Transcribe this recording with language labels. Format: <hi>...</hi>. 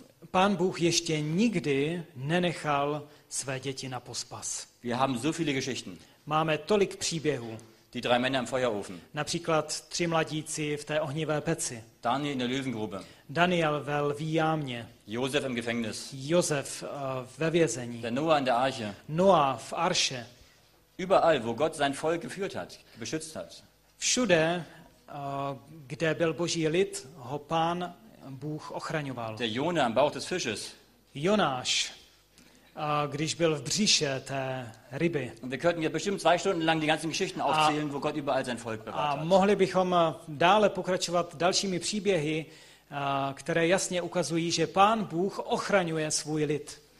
<cs>Pán Bůh ještě nikdy nenechal své děti na pospas.</cs> <de>Wir haben so viele Geschichten.</de> <cs>Máme tolik příběhů.</cs> <de>Die drei Männer im Feuerofen.</de> <cs>Například tři mladíci v té ohnivé peci.</cs> <de>Daniel in der Löwengrube.</de> <cs>Daniel ve lví jámě.</cs> <de>Josef im Gefängnis.</de> <cs>Josef ve vězení.</cs> <de>Der Noah in der Arche.</de> <cs>Noah v Arše.</cs> <de>Überall, wo Gott sein Volk geführt hat, beschützt hat.</de> <cs>Všude, kde byl Boží lid, ho Pán Bůh ochraňoval.</cs> <de>Der Jonah im Bauch des Fisches.</de> <cs>Jonáš, když byl v břiše té ryby.</cs> <de>Und wir könnten ja bestimmt zwei Stunden lang die ganzen Geschichten aufzählen, wo Gott überall sein Volk bewahrt hat.</de> <cs>A mohli bychom dále pokračovat dalšími příběhy, které jasně ukazují, že Pán Bůh ochraňuje svůj lid.</cs>